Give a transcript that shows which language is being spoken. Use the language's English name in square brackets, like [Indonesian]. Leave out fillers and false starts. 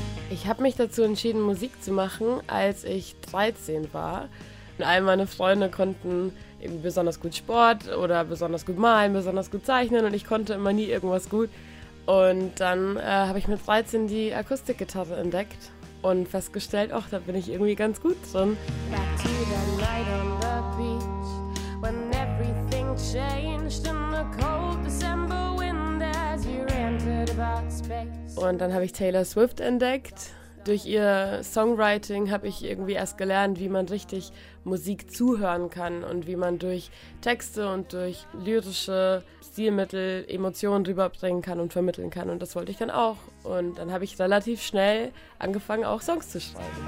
[German] Ich habe mich dazu entschieden, Musik zu machen, als ich 13 war. Und all meine Freunde konnten irgendwie besonders gut Sport oder besonders gut malen, besonders gut zeichnen und ich konnte immer nie irgendwas gut. Und dann habe ich mit 13 die Akustikgitarre entdeckt und festgestellt, ach, da bin ich irgendwie ganz gut drin. [English] Back to the night on the beach, when everything changed in the cold December wind as you entered about space. [German] Und dann habe ich Taylor Swift entdeckt. Durch ihr Songwriting habe ich irgendwie erst gelernt, wie man richtig Musik zuhören kann und wie man durch Texte und durch lyrische Stilmittel Emotionen rüberbringen kann und vermitteln kann. Und das wollte ich dann auch. Und dann habe ich relativ schnell angefangen, auch Songs zu schreiben.